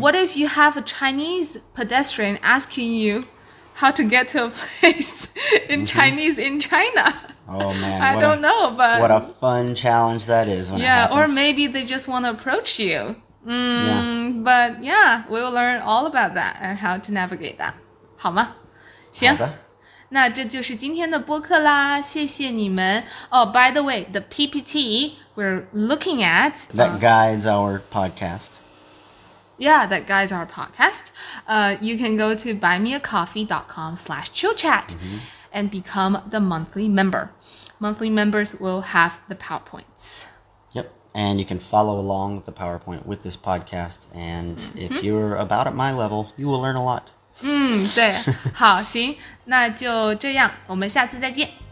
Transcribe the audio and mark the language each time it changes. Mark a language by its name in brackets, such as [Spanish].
[English] what if you have a Chinese pedestrian asking youyou how to get to a place in、mm-hmm. Chinese in China. Oh man. I don't know, but. What a fun challenge that is. When yeah, it happens. Or maybe they just want to approach you.、 Yeah. But yeah, we'll learn all about that and how to navigate that. [Chinese] 好吗行好那这就是今天的播客啦谢谢你们。 [English] Oh, by the way, the PPT we're looking at. That guides our podcast. Yeah, that guides our podcast. You can go to buymeacoffee.com/chillchat、 mm-hmm. and become the monthly member. Monthly members will have the PowerPoints. Yep, and you can follow along with the PowerPoint with this podcast. And、mm-hmm. if you're about at my level, you will learn a lot. [Chinese] 对，好，行，那就这样，我们下次再见。